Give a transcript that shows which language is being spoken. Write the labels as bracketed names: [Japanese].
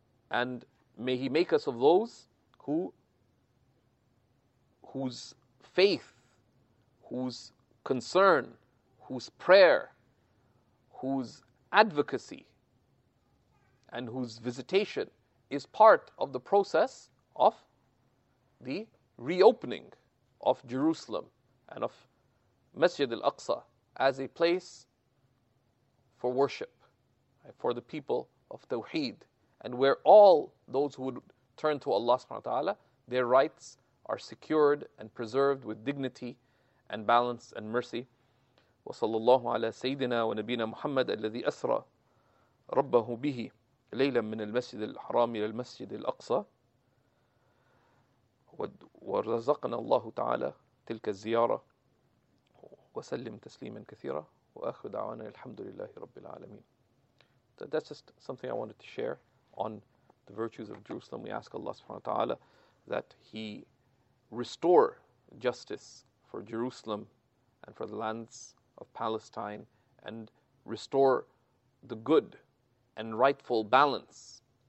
[English] And may He make us of those whose faith, whose concern, whose prayer, whose advocacy, and whose visitation is part of the process of the reopening of Jerusalem and of Masjid al-Aqsa as a place for worship, right, for the people of Tawheed, and where all those who would turn to Allah subhanahu wa ta'ala, their rights are secured and preserved with dignity and balance and mercy. [Arabic] وصلى الله على سيدنا ونبينا محمد الذي أسرى ربه به ليلا من المسجد الحرام إلى المسجد الأقصى ورزقنا الله تعالى تلك الزيارة وسلم تسليما كثيرا وآخر دعوانا الحمد لله رب العالمين. [English] That's just something I wanted to share on the virtues of Jerusalem. We ask Allah subhanahu wa ta'ala that He restore justice for Jerusalem and for the lands of Palestine, and restore the good and rightful balance